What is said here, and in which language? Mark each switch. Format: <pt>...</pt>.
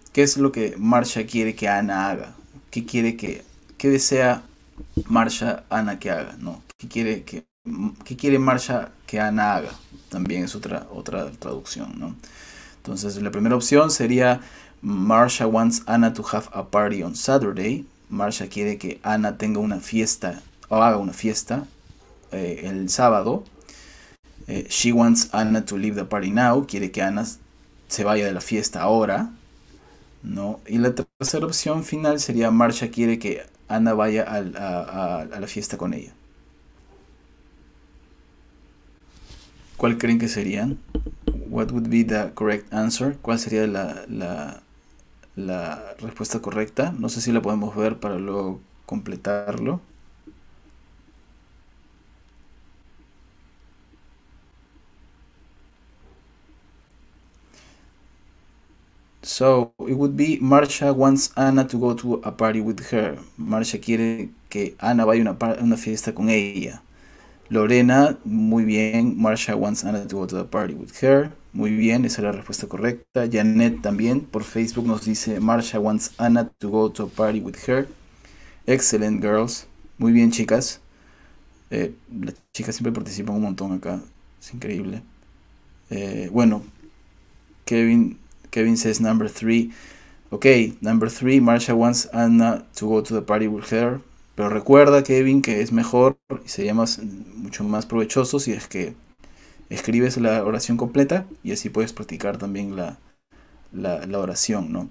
<es>¿Qué es lo que Marsha quiere que Anna haga? ¿Qué desea Marsha Anna que haga? No. ¿Qué quiere Marsha que Ana haga. También es otra traducción, ¿no? Entonces, la primera opción sería:</es> <en>Marsha wants Anna to have a party on Saturday.</en> <es>Marsha quiere que Anna tenga una fiesta o haga una fiesta el sábado.</es> <en>She wants Anna to leave the party now.</en> <es>Quiere que Anna se vaya de la fiesta ahora, ¿no? Y la tercera opción final sería: Marsha quiere que Anna vaya a la fiesta con ella. ¿Cuál creen que serían?</es> <en>What would be the correct answer?</en> <es>¿Cuál sería la respuesta correcta? No sé si la podemos ver para luego completarlo.</es> <en>So, it would be Marsha wants Anna to go to a party with her.</en> <es>Marsha quiere que Anna vaya a una fiesta con ella. Lorena, muy bien.</es> <en>Marsha wants Anna to go to the party with her.</en> <es>Muy bien, esa es la respuesta correcta. Janet también por Facebook nos dice:</es> <en>Marsha wants Anna to go to a party with her. Excellent, girls.</en> <es>Muy bien, chicas. Las chicas siempre participan un montón acá. Es increíble.</es> <en>Bueno, Kevin says number three. Ok, number three. Marsha wants Anna to go to the party with her.</en> <es>Pero recuerda, Kevin, que es mejor y sería mucho más provechoso si es que escribes la oración completa y así puedes practicar también la oración, ¿no?</es>